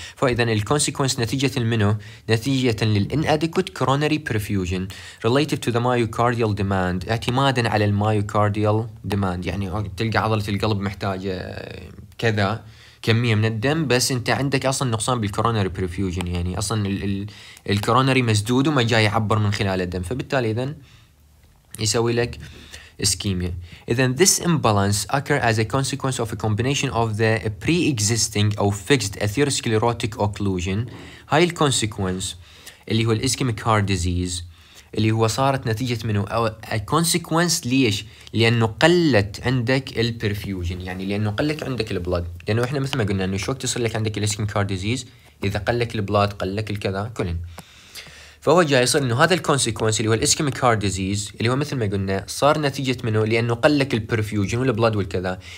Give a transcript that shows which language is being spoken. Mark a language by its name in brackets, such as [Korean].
[Arabic] فاذا الكونسيكونس نتيجه منه؟ نتيجه [English] للانادكوت coronary perfusion relative to the myocardial demand, [Arabic] اعتمادا على المايوكارديال ديماند، يعني تلقى عضله القلب محتاجه كذا كميه من الدم، بس انت عندك اصلا نقصان بالكورونري برفيوجن، يعني اصلا الكورونري مسدود وما جاي يعبر من خلال الدم، فبالتالي اذا يسوي لك اسكيميا. [English] اذا this imbalance occur as a consequence of a combination of the pre-existing or fixed atherosclerotic occlusion. [Arabic] هاي ال consequence اللي هو الاسكيميك هارت ديزيز اللي هو صارت نتيجة منه، أو a consequence ليش؟ لأنه قلت عندك البرفيوجن، يعني لأنه قلت عندك البلد، لأنه احنا مثل ما قلنا انه شو وقت يصير لك عندك الاسكيميك هارت ديزيز؟ اذا قلك البلد قلك الكذا كلن، فهو جاي يصير انه هذا الكونسيكونس اللي هو الاسكيميك هارت ديزيز اللي هو مثل ما قلنا صار نتيجه منه لانه قل لك البرفيوجن والبلد والكذا.